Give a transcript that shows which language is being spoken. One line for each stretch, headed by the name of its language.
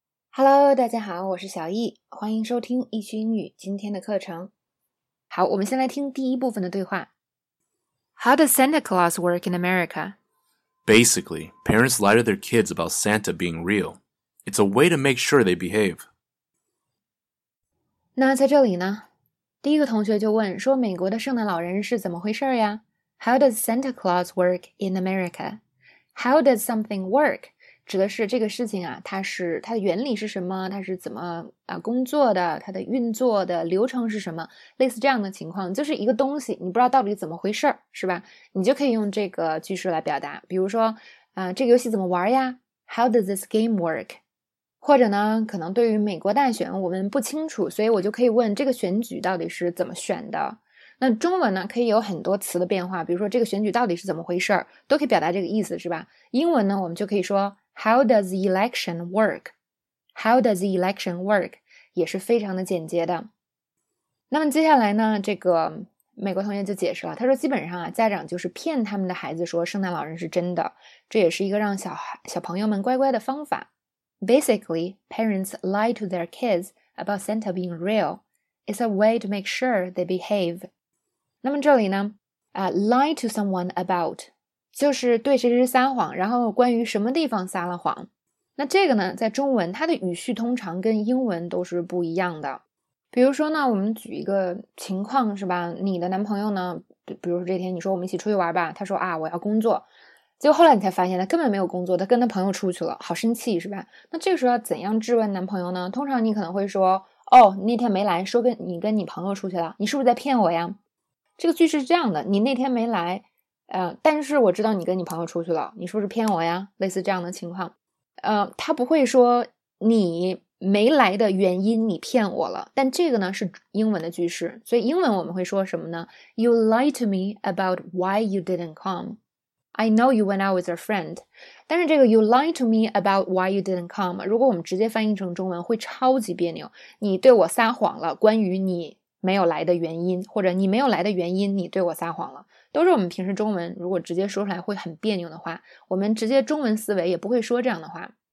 Chinese: Hello，大家好，我是小易，欢迎收听易趣英语今天的课程。好，我们先来听第一部分的对话。
English: How does Santa Claus work in America? Basically, parents lie to their kids about Santa being real. It's a way to make sure they behave.
Chinese: 那在这里呢？第一个同学就问说美国的圣诞老人是怎么回事呀？
English: How does Santa Claus work in America? How does something work?
Chinese: 指的是这个事情啊，它的原理是什么，它是怎么工作的，它的运作的流程是什么，类似这样的情况，就是一个东西你不知道到底怎么回事，是吧？你就可以用这个句式来表达，比如说这个游戏怎么玩呀，
English: How does this game work?
Chinese: 或者呢，可能对于美国大选我们不清楚，所以我就可以问这个选举到底是怎么选的。那中文呢可以有很多词的变化，比如说这个选举到底是怎么回事，都可以表达这个意思，是吧？英文呢我们就可以说
English: How does the election work? How does the election work?
Chinese: 也是非常的简洁的。那么接下来呢，这个美国同学就解释了，他说基本上啊，家长就是骗他们的孩子说圣诞老人是真的，这也是一个让小朋友们乖乖的方法。
English: Basically, parents lie to their kids about Santa being real. It's a way to make sure they behave.
Chinese: 那么这里呢
English: lie to someone about...
Chinese: 就是对谁谁撒谎，然后关于什么地方撒了谎。那这个呢，在中文它的语序通常跟英文都是不一样的。比如说呢，我们举一个情况，是吧？你的男朋友呢，比如说这天你说我们一起出去玩吧，他说啊我要工作，结果后来你才发现他根本没有工作，他跟他朋友出去了，好生气，是吧？那这个时候要怎样质问男朋友呢？通常你可能会说，哦，那天没来，说跟你朋友出去了，你是不是在骗我呀？这个句式是这样的，你那天没来。但是我知道你跟你朋友出去了，你是不是骗我呀？类似这样的情况。他不会说你没来的原因你骗我了，但这个呢是英文的句式，所以英文我们会说什么呢？
English: You lied to me about why you didn't come. I know you went out with a friend.
Chinese: 但是这个
English: you lied to me about why you didn't come,
Chinese: 如果我们直接翻译成中文会超级别扭，你对我撒谎了，关于你没有来的原因，或者你没有来的原因你对我撒谎了，都是我们平时中文如果直接说出来会很别扭的话，我们直接中文思维也不会说这样的话。